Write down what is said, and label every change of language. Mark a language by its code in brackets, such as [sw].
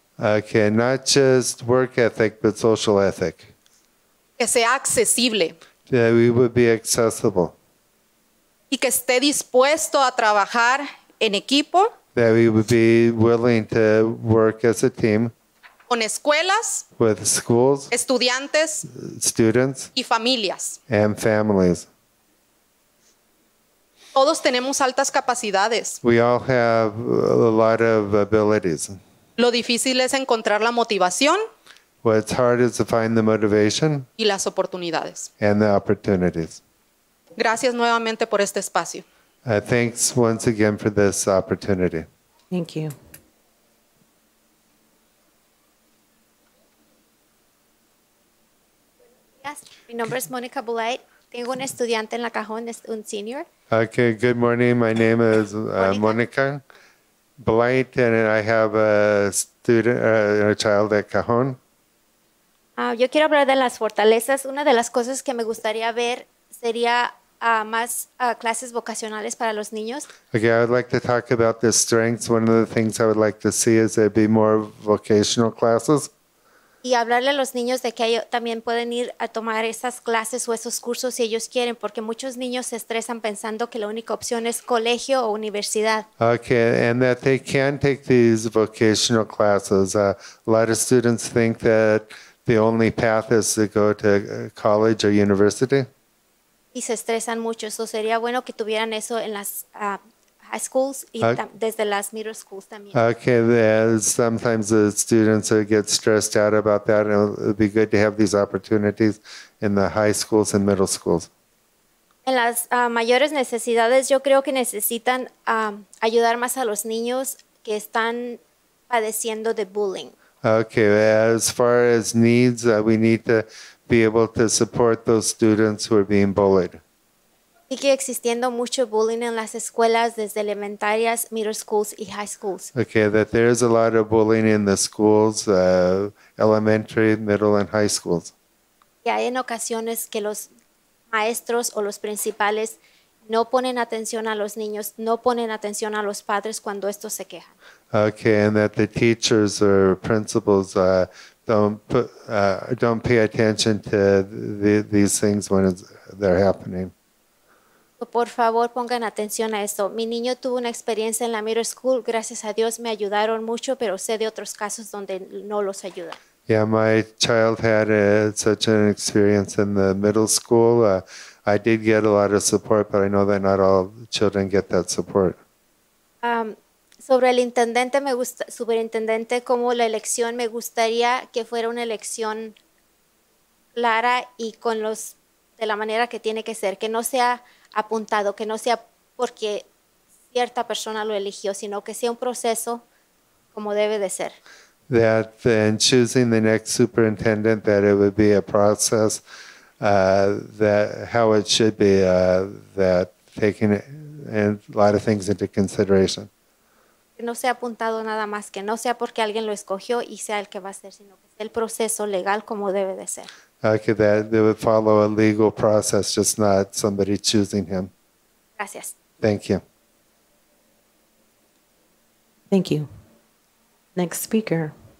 [en] Okay, not just work ethic, but social ethic. [es] Que sea accesible. [en] That we would be accessible. [es] Y que esté dispuesto a trabajar en equipo. [en] That we would be willing to work as a team. [es] Con escuelas. [en] With schools. [es] Estudiantes. [en] Students. [es] Y familias. [en] And families. [es] Todos tenemos altas capacidades. [en] We all have a lot of abilities. [es] Lo difícil es encontrar la motivación. [en] What's hard is to find the motivation. [es] Y las oportunidades. [en] And the opportunities. [es] Gracias nuevamente por este espacio. [en] Thanks once again for this opportunity. Thank you. Yes, [es] mi nombre es Monica Bulight. Tengo un estudiante en la cajón, es un senior. [en] Okay, good morning. My name is Monica Blight, and I have a student, a child at Cajon. [es] Yo quiero hablar de las fortalezas. Una de las cosas que me gustaría ver sería más clases vocacionales para los niños. [en] Okay, I would like to talk about the strengths. One of the things I would like to see is there be more vocational classes. [es] Y hablarle a los niños de que también pueden ir a tomar esas clases o esos cursos si ellos quieren, porque muchos niños se estresan pensando que la única opción es colegio o universidad. [en] Okay, and that they can take these vocational classes. A lot of students think that the only path is to go to college or university. [es] Y se estresan mucho. Eso sería bueno que tuvieran eso en las high schools y desde las middle schools también. [en] Okay, sometimes the students get stressed out about that, and it would be good to have these opportunities in the high schools and middle schools. [es] En las mayores necesidades, yo creo que necesitan ayudar más a los niños que están padeciendo de bullying. [en] Okay, as far as needs, we need to be able to support those students who are being bullied. [es] Sigue existiendo mucho bullying en las escuelas desde elementarias, middle schools y high schools. [en] Okay, that there is a lot of bullying in the schools, elementary, middle and high schools. [es] Y hay en ocasiones que los maestros o los principales no ponen atención a los niños, no ponen atención a los padres cuando estos se quejan. [en] Okay, and that the teachers or principals don't pay attention to these things when they're happening. [es] Por favor, pongan atención a esto. Mi niño tuvo una experiencia en la middle school. Gracias a Dios me ayudaron mucho, pero sé de otros casos donde no los ayudan. [en] Yeah, my child had such an experience in the middle school. I did get a lot of support, but I know that not all children get that support. [es] Sobre el intendente, me gusta, superintendente, como la elección, me gustaría que fuera una elección clara y con los de la manera que tiene que ser, que no sea apuntado, que no sea porque cierta persona lo eligió, sino que sea un proceso como debe de ser. [en] That in choosing the next superintendent, that it would be a process, that how it should be, that taking it, a lot of things into consideration. [es] Que no sea apuntado nada más, que no sea porque alguien lo escogió y sea el que va a ser, sino que sea el proceso legal como debe de ser. [en] Okay, that they would follow a legal process, just not somebody choosing him. [es] Gracias. [en] Thank you. Thank you. Next speaker.